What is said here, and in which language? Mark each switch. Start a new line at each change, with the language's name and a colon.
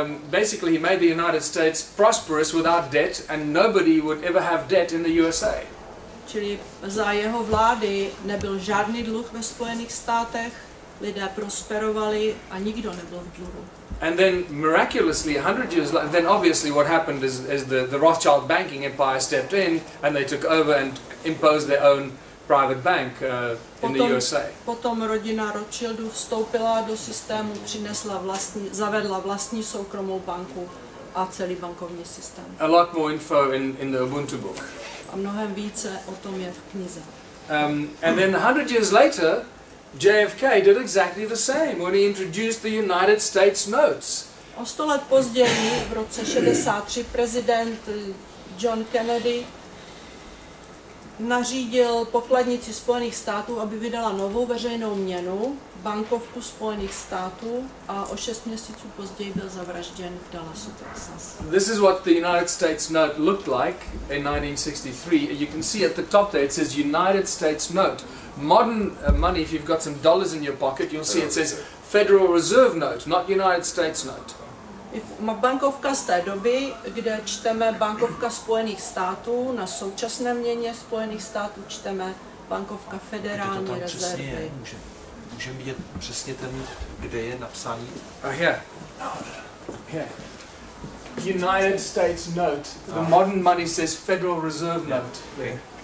English: Basically he made the United States prosperous without debt, and nobody would ever have debt in the USA.
Czech: Čili za jeho vlády nebyl žádný dluh ve Spojených státech, lidé prosperovali a nikdo nebyl v dluhu.
English: And then miraculously 100 years later, then obviously what happened is the Rothschild banking empire stepped in and they took over and imposed their own private bank in the USA.
Czech: Potom rodina Rothschildů vstoupila do systému, zavedla vlastní soukromou banku a celý bankovní systém.
English: A lot more info in the Ubuntu book.
Czech: A mnohem více o tom je v knize.
English: And then 100 years later JFK did exactly the same when he introduced the United States notes.
Czech: O 100 let později, v roce 63, prezident John Kennedy nařídil pokladnici Spojených států, aby vydala novou veřejnou měnu, bankovku Spojených států, a o 6 měsíců později byl zavražděn v Dallasu, Texas.
English: This is what the United States note looked like in 1963. You can see at the top there it says United States note. Modern money, if you've got some dollars in your pocket, you'll see it says Federal Reserve Note, not United States Note.
Czech: Bankovka z té doby, kde čteme bankovka Spojených států, na současné měně Spojených států čteme bankovka Federální rezervy. Kde to tam přesně je? Můžem vidět přesně ten, kde je napsaný?
English: Here. United States Note. The modern money says Federal Reserve Note. Yeah.